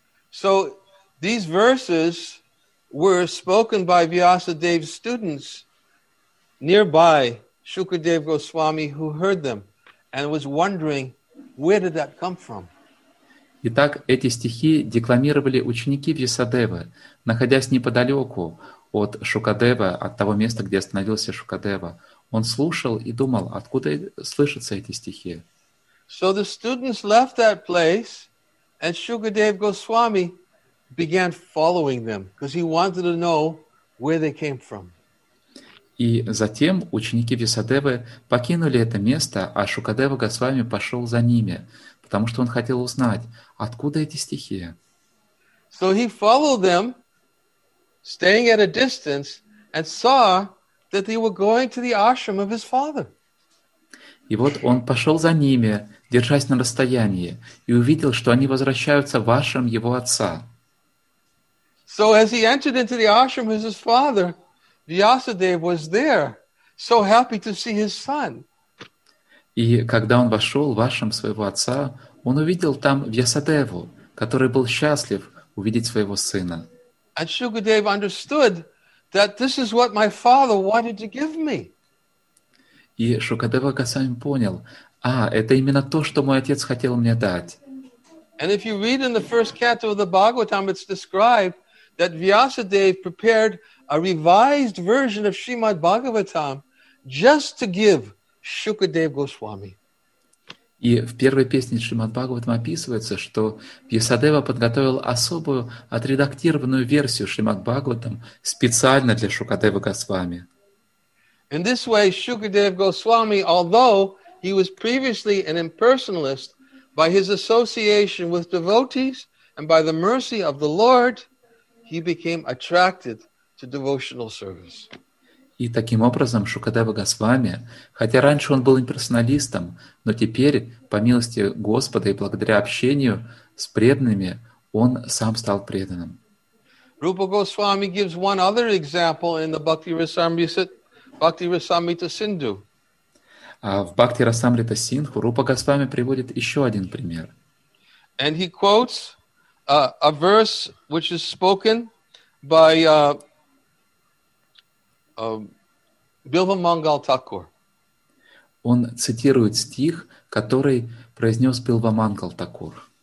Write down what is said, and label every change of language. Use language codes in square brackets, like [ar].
[en] So these verses were spoken by Vyasadeva's students nearby Shukadev Goswami, who heard them and was wondering, where did that come from? [ru] Итак, эти стихи декламировали ученики Вьясадевы, находясь неподалеку от Шукадева, от того места, где остановился Шукадева. Он слушал и думал, откуда слышатся эти стихи. [en] So the students left that place, and Shukadev Goswami began following them, because he wanted to know where they came from. [ru] И затем ученики Вьясадевы покинули это место, а Шукадева Госвами пошел за ними, потому что он хотел узнать, откуда эти стихи. [en] So he followed them, staying at a distance, and saw that they were going to the ashram of his father. [ru] И вот он пошел за ними, держась на расстоянии, и увидел, что они возвращаются в ашрам его отца. [en] So as he entered into the ashram of his father, Vyasadeva was there, so happy to see his son. [ru] И когда он вошел в ашрам своего отца, он увидел там Вьясадеву, который был счастлив увидеть своего сына. [en] And Shukadeva understood that this is what my father wanted to give me. [ru] И Шукадева Госвами понял, а, это именно то, что мой отец хотел мне дать. [en] And if you read in the first canto of the Bhagavatam, it's described that Vyasadeva prepared a revised version of Srimad Bhagavatam just to give Shukadev Goswami. [ru] И в первой песне Шримад Бхагаватам описывается, что Вьясадева подготовил особую отредактированную версию Шримад Бхагаватам специально для Шукадевы Госвами. [en] In this way, Shukadev Goswami, although he was previously an impersonalist, by his association with devotees and by the mercy of the Lord, he became attracted to devotional service. [ru] И таким образом Шукадева Госвами, хотя раньше он был имперсоналистом, но теперь, по милости Господа и благодаря общению с преданными, он сам стал преданным. [en] Rupa Goswami gives one other example in the Bhakti Rasamrita Sindhu. [ru] А в Бхакти Расамрита Синху Рупа Госвами приводит еще один пример. [en] And he quotes a verse which is spoken by Bilva Mangal Thakur. [ru] Он цитирует стих, который произнес Bilva Mangal Thakur.